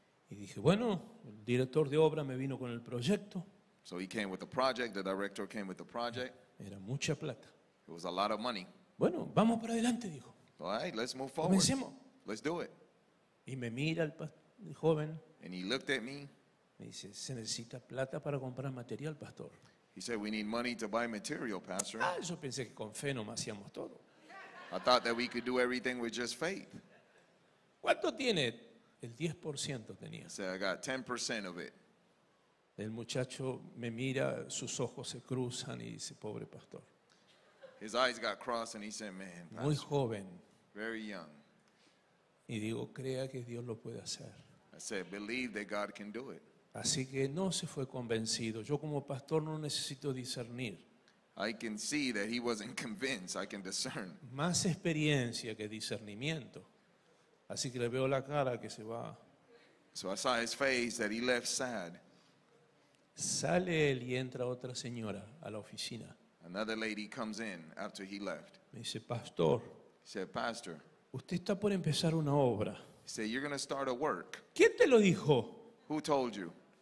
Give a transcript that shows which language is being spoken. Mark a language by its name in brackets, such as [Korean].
[Spanish] Y dije, bueno, el director de obra me vino con el proyecto. [English] So he came with the project, the director came with the project. [Spanish] Era mucha plata. [English] It was a lot of money. [Spanish] Bueno, vamos para adelante, dijo. [English] All right, let's move forward. [Spanish] Comencemos. [English] Let's do it. [Spanish] Y me mira el joven. [English] And he looked at me. [Spanish] Me dice, se necesita plata para comprar material, pastor. [English] He said, we need money to buy material, pastor. [Spanish] Ah, yo pensé que con fe nomás hacíamos todo. [English] I thought that we could do everything with just faith. [Spanish] ¿Cuánto tiene? El 10% tenía. [English] He said, I got 10% of it. [Spanish] El muchacho me mira, sus ojos se cruzan y dice, pobre pastor. [English] His eyes got crossed and he said, man, pastor, [Spanish] muy joven. [English] Very young. [Spanish] Y digo, crea que Dios lo puede hacer. [English] I said, believe that God can do it. [Spanish] Así que no se fue convencido. Yo como pastor no necesito discernir. [English] I can see that he wasn't convinced. I can discern. [Spanish] Más experiencia que discernimiento. Así que le veo la cara que se va. [English] So I saw his face that he left sad. [Spanish] Sale él y entra otra señora a la oficina. [English] Another lady comes in after he left. [Spanish] Me dice, pastor. [English] He said, pastor. [Spanish] Usted está por empezar una obra. [English] He said, you're going to start a work. [Spanish] ¿Quién te lo dijo? [English] Who told you?